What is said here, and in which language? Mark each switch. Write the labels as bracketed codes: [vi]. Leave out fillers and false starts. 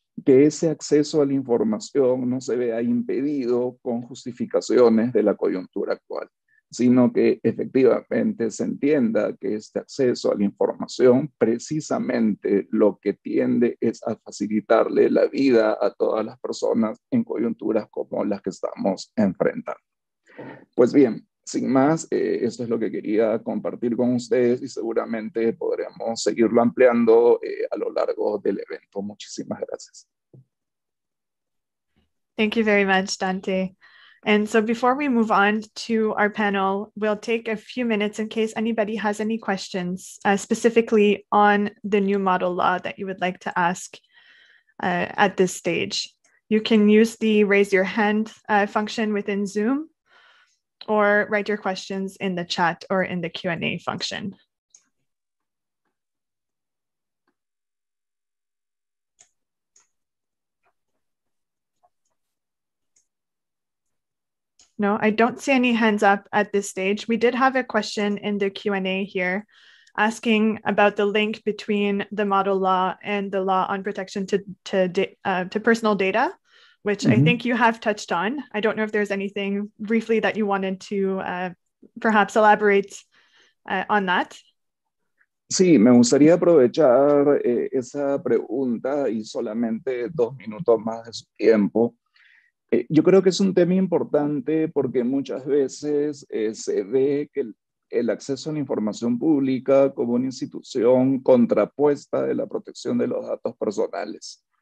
[es] que ese acceso a la información no se vea impedido con justificaciones de la coyuntura actual, sino que efectivamente se entienda que este acceso a la información precisamente lo que tiende es a facilitarle la vida a todas las personas en coyunturas como las que estamos enfrentando. Pues bien, Sin más, esto es lo que quería compartir con ustedes y seguramente podremos seguirlo ampliando a lo largo del evento. Muchísimas gracias. [en] Thank you very much, Dante. And so before we move on to our panel, we'll take a few minutes in case anybody has any questions specifically on the new model law that you would like to ask at this stage. You can use the raise your hand function within Zoom or write your questions in the chat or in the Q&A function. No, I don't see any hands up at this stage. We did have a question in the Q&A here asking about the link between the model law and the law on protection to personal data, which mm-hmm. I think you have touched on. I don't know if there's anything briefly that you wanted to perhaps elaborate on that. [es] Sí, me gustaría aprovechar esa pregunta y solamente dos minutos más de su tiempo. Yo creo que es un tema importante porque muchas veces se ve que el acceso a la información pública como una institución contrapuesta de la protección de los datos personales.